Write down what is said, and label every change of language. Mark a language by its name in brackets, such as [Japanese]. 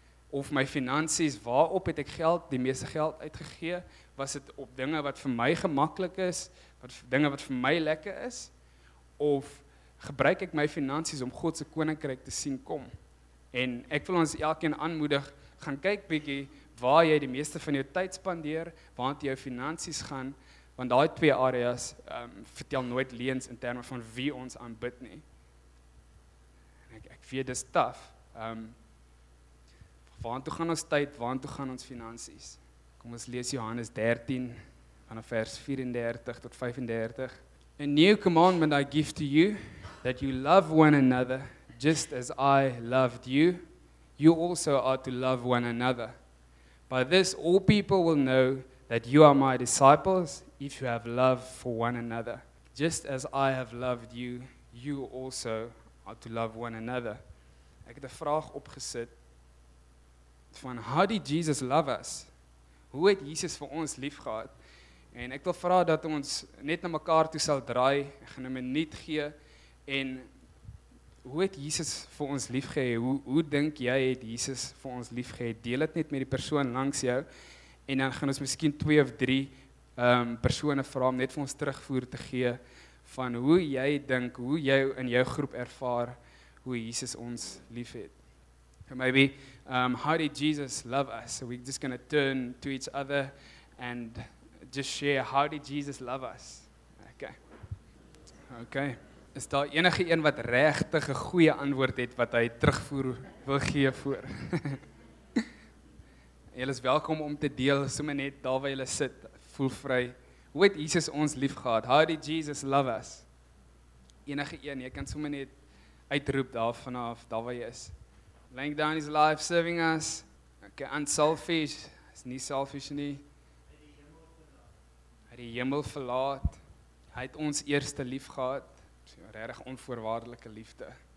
[Afrikaans] Of my finansies, waarop het ek geld, die meeste geld uitgegee? Was het op dinge wat vir my gemaklik is, wat dinge wat vir my lekker is? Of gebruik ek my finansies om God se koninkryk te sien kom? En ek wil ons elkeen aanmoedig, gaan kyk bietjie waar jy die meeste van jou tyd spandeer, waarna jou finansies gaan, want daai twee areas vertel nooit leens in terme van wie ons aanbid nie. En ek weet dis taf. Waartoe gaan ons tyd, waartoe gaan ons finansies? Kom ons lees Johannes 13 vanaf vers 34 tot 35. [English] A new commandment I give to you, that you love one another just as I loved you, you also are to love one another. By this, all people will know that you are my disciples if you have love for one another. Just as I have loved you, you also are to love one another. [Afrikaans] Ek het 'n vraag opgesit van, [English] how did Jesus love us? [Afrikaans] Hoe het Jesus vir ons lief gehad? En ek wil vra dat ons net na mekaar toe sal draai, ek gaan 'n minuut gee, en hoe het Jesus vir ons lief gehad? Hoe dink jy het Jesus vir ons lief gehad? Deel het net met die persoon langs jou, en dan gaan ons miskien 2 of 3 persone vra om net vir ons terugvoer te gee, van hoe jy dink, hoe jy in jou groep ervaar, hoe Jesus ons lief het. [English] Maybe, how did Jesus love us? So we're just going to turn to each other and just share, how did Jesus love us? [Afrikaans] Okay. Is daar enige een wat regtig 'n goeie antwoord het, wat hy terugvoer wil gee voor? Julle is welkom om te deel, sommer net daar waar julle sit, voel vry. Hoe het Jesus ons lief gehad? [English] How did Jesus love us? [Afrikaans] Enige een, jy kan sommer net uitroep daar vanaf, daar waar jy is. [English] Laying down his life, serving us. Okay, unselfish. [Afrikaans] Is nie selfish nie. Hy die hemel verlaat. Hy het ons eerste lief gehad. Regtig onvoorwaardelike liefde.